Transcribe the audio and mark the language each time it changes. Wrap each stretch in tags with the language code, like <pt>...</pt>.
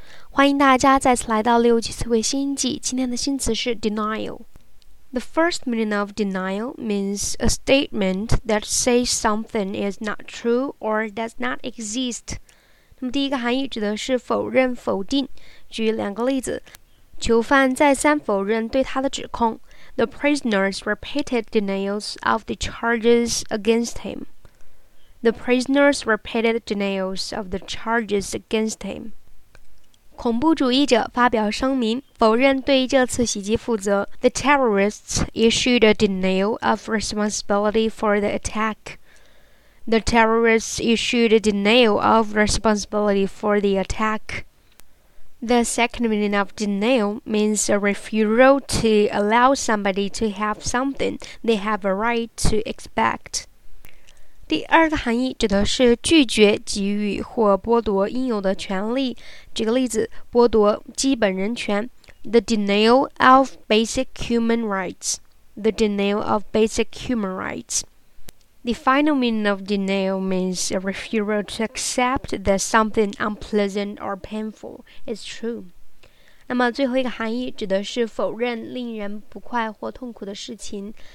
<zh>欢迎大家再次来到六级词汇新英记。今天的新词是 denial.</zh> <en>The first meaning of denial means a statement that says something is not true or does not exist.</en> <zh>那么第一个含义指的是否认、否定。举两个例子，囚犯再三否认对他的指控。</zh> <en>The prisoner's repeated denials of the charges against him. The prisoner's repeated denials of the charges against him.</en> <zh>恐怖主义者发表声明，否认对这次袭击负责。</zh> <en>The terrorists issued a denial of responsibility for the attack. The terrorists issued a denial of responsibility for the attack. The second meaning of denial means a refusal to allow somebody to have something they have a right to expect.</en> <zh>第二个含义指的是拒绝给予或剥夺应有的权利。举个例子，剥夺基本人权。</zh> <en>The denial of basic human rights. The denial of basic human rights. The final meaning of denial means a refusal to accept that something unpleasant or painful is true.</en> <zh>那么最后一个含义指的是否认令人不快或痛苦的事情。</zh>